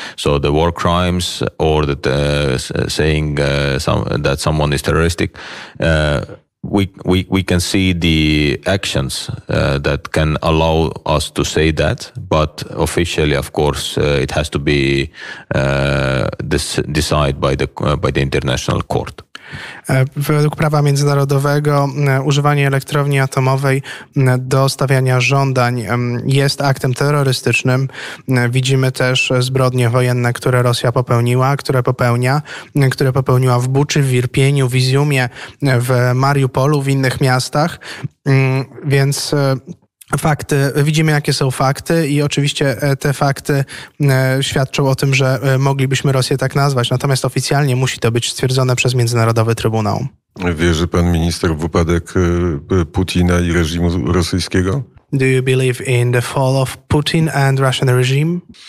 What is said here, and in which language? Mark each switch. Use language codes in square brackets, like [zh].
[en] So the war crimes or that saying that someone is terroristic, we can see the actions that can allow us to say that, but officially, of course, it has to be decided by the international court. [pl] Według prawa międzynarodowego używanie elektrowni atomowej do stawiania żądań jest aktem terrorystycznym. Widzimy też zbrodnie wojenne, które Rosja popełniła, które popełniła w Buczy, w Irpieniu, w Iziumie, w Mariupolu, w innych miastach, więc fakty, widzimy, jakie są fakty i oczywiście te fakty świadczą o tym, że moglibyśmy Rosję tak nazwać, natomiast oficjalnie musi to być stwierdzone przez Międzynarodowy Trybunał. Wierzy pan minister w upadek Putina i reżimu rosyjskiego? [en] Do you believe in the fall of Putin and Russian regime?